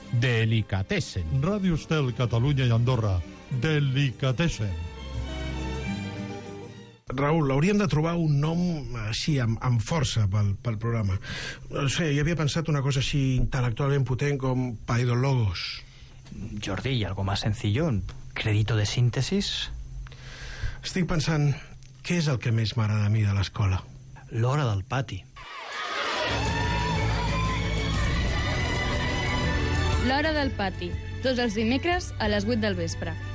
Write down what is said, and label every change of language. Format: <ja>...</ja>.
<ca>Delicatessen. Ràdio Estel, Catalunya i Andorra. Delicatessen. Raül, hauríem de trobar un nom així, amb força, pel programa. O sigui, jo havia pensat una cosa així intel·lectualment potent com Paidologos.</ca> <es>Jordi, i algo más sencillo, crédito de síntesis?</es> <ca>Estic pensant, què és el que més m'agrada a mi de l'escola? L'hora del pati. L'hora del pati, tots els dimecres a les 8 del vespre.</ca>